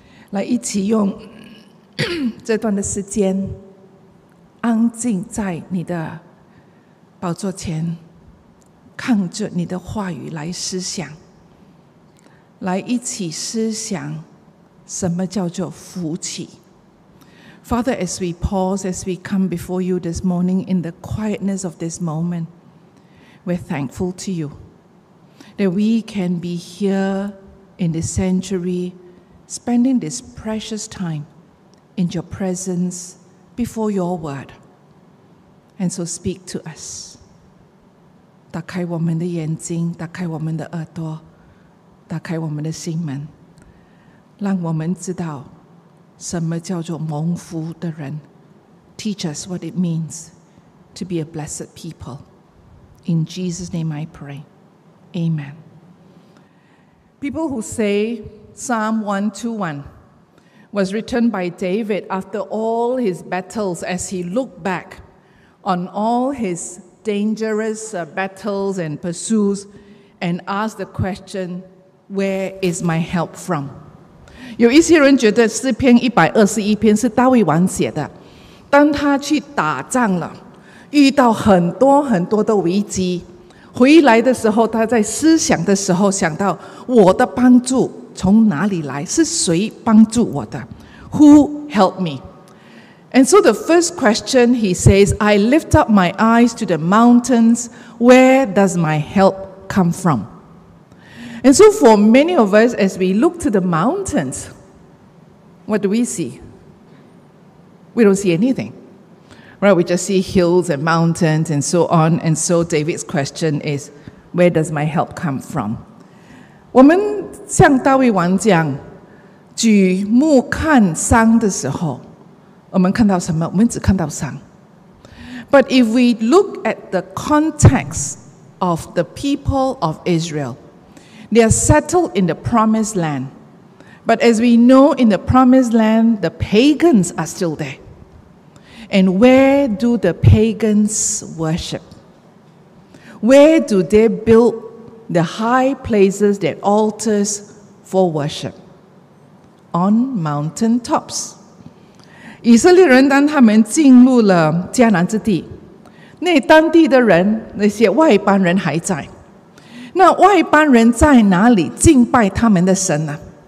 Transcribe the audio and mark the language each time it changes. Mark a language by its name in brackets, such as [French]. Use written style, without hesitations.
[Chinese] 来一起用这段的时间安静在你的宝座前，看着你的话语来思想，来一起思想什么叫做福气。 [English] Father, as we pause, as we come before you this morning in the quietness of this moment, we're thankful to you that we can be here in this sanctuary, spending this precious time in your presence before your word. And so speak to us. [Chinese] 打开我们的眼睛，打开我们的耳朵，打开我们的心门，让我们知道什么叫做蒙福的人。 [English] Teach us what it means to be a blessed people. In Jesus' name I pray. Amen. People who say Psalm 121 was written by David after all his battles, as he looked back on all his dangerous battles and pursuits and asked the question, where is my help from? [Chinese] 有一些人觉得诗篇121篇是大卫王写的，当他去打仗了，遇到很多很多的危机，回来的时候，他在思想的时候想到，我的帮助从哪里来？是谁帮助我的？ [English] Who helped me? And so the first question he says, I lift up my eyes to the mountains, where does my help come from? And so for many of us, as we look to the mountains, what do we see? We don't see anything. Right, we just see hills and mountains and so on. And so David's question is, where does my help come from? [Chinese] 我们像大卫王讲，举目看山的时候，我们看到什么？我们只看到山。 [English] But if we look at the context of the people of Israel, they are settled in the promised land. But as we know, in the promised land, the pagans are still there. And where do the pagans worship? Where do they build the high places, their altars for worship? On mountaintops. [Chinese] 以色列人当他们进入了迦南之地，那当地的人，那些外邦人还在。那外邦人在哪里敬拜他们的神呢？